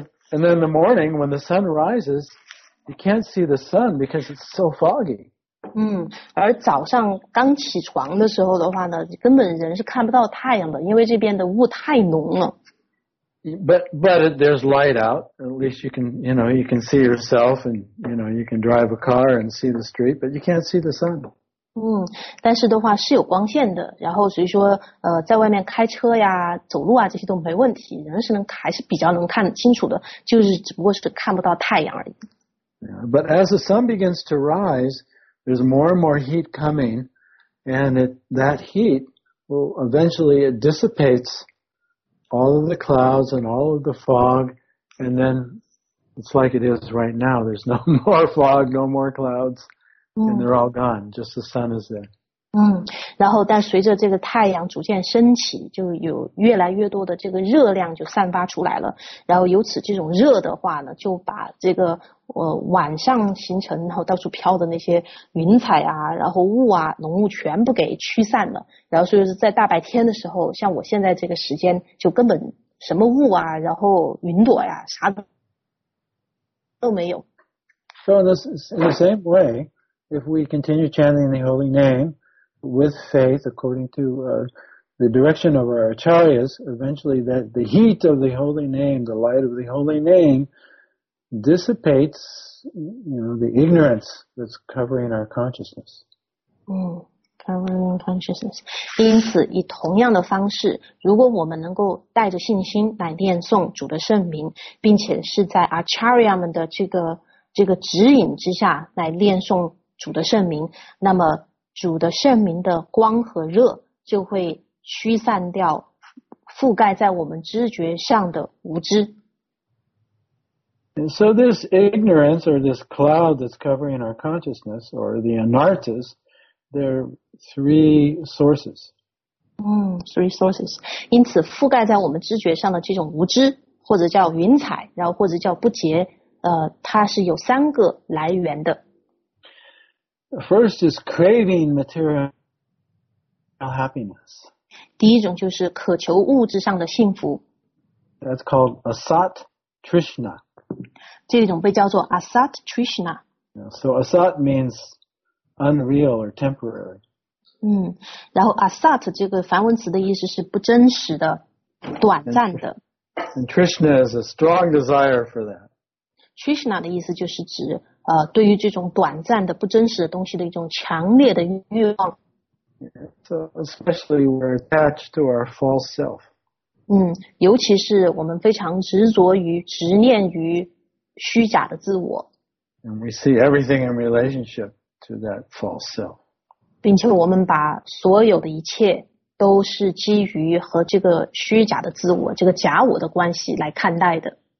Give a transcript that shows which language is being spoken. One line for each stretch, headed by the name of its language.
English: And then the morning when the sun rises, you can't see the sun because it's so foggy.
Chinese: 嗯，而早上刚起床的时候的话呢，根本人是看不到太阳的，因为这边的雾太浓了。
English: But there's light out. At least you can see yourself, and you know you can drive a car and see the street, but you can't see the sun.
Chinese: 嗯，但是的话是有光线的，然后所以说在外面开车呀、走路啊这些都没问题，人是能还是比较能看清楚的，就是只不过是看不到太阳而已。
English: But as the sun begins to rise, there's more and more heat coming, and that heat will eventually it dissipates all of the clouds and all of the fog, and then it's like it is right now. There's no more fog, no more clouds. And they're all gone, just the sun is there.
Chinese: 嗯，然后但随着这个太阳逐渐升起，就有越来越多的这个热量就散发出来了，然后由此这种热的话呢，就把这个晚上形成然后到处飘的那些云彩啊，然后雾啊，浓雾全部给驱散了，然后所以说在大白天的时候，像我现在这个时间，就根本什么雾啊，然后云朵呀，啥都没有。
English: So in the same way,if we continue chanting the holy name with faith, according to the direction of our acharyas, eventually that the heat of the holy name, the light of the holy name, dissipates, you know, the ignorance that's covering our consciousness. Covering consciousness.
Chinese: 因此，以同样的方式，如果我们能够带着信心来念诵主的圣名，并且是在 acharya 们的这个指引之下来念诵。主的圣名，那么主的圣名的光和热就会驱散掉覆盖在我们知觉上的无知。
English: And so this ignorance or this cloud that's covering our consciousness or the anartas, there are three sources. Three sources.
Chinese: 因此覆盖在我们知觉上的这种无知或者叫云彩然后或者叫不洁它是有三个来源的。
English: First is craving material happiness.
Chinese: 第一种就是渴求物质上的幸福。
English: That's called asat trishna.
Chinese: 这种被叫做 asat trishna.
English: So asat means unreal or temporary.
Chinese: 嗯，然后 asat 这个梵文词的意思是不真实的、短暂的。
English: And trishna is a strong desire for that.
Chinese: Trishna 的意思就是指。对于这种短暂的、不真实的东西的一种强烈的欲望。
English: So especially we're attached to our false self.
Chinese: 嗯，尤其是我们非常执着于、执念于虚假的自我。
English: And we see everything in relationship to that false self.
Chinese: 并且我们把所有的一切都是基于和这个虚假的自我、这个假我的关系来看待的。